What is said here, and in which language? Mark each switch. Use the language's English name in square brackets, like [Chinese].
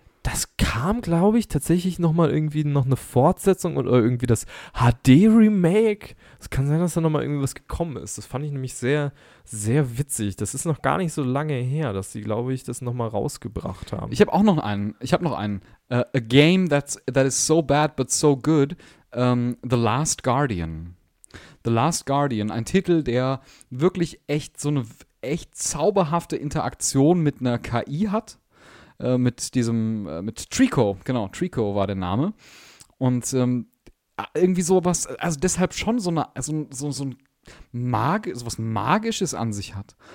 [German] Das kam, glaube ich, tatsächlich nochmal irgendwie noch eine Fortsetzung oder irgendwie das HD-Remake. Es kann sein, dass da nochmal irgendwie was gekommen ist. Das fand ich nämlich sehr, sehr witzig. Das ist noch gar nicht so lange her, dass sie, glaube ich, das nochmal rausgebracht haben. Ich habe auch noch einen. [English] A game that is so bad but so good. The Last Guardian. [German] The Last Guardian, ein Titel, der wirklich echt so eine echt zauberhafte Interaktion mit einer KI hat. Mit Trico, genau, Trico war der Name. Und irgendwie sowas, also deshalb schon sowas Magisches an sich hat.